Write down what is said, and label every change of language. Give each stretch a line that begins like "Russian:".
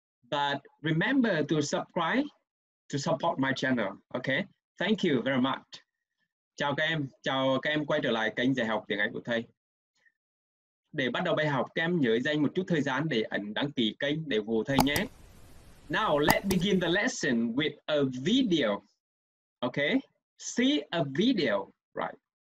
English: But remember to subscribe to support my channel, okay? Thank you very much.
Vietnamese: Chào các em quay trở lại kênh dạy học tiếng Anh của thầy. Để bắt đầu bài học, các em nhớ dành một chút thời gian để ấn đăng ký kênh để ủng hộ thầy nhé.
English: Now, let's begin the lesson with a video, okay? See a video, right?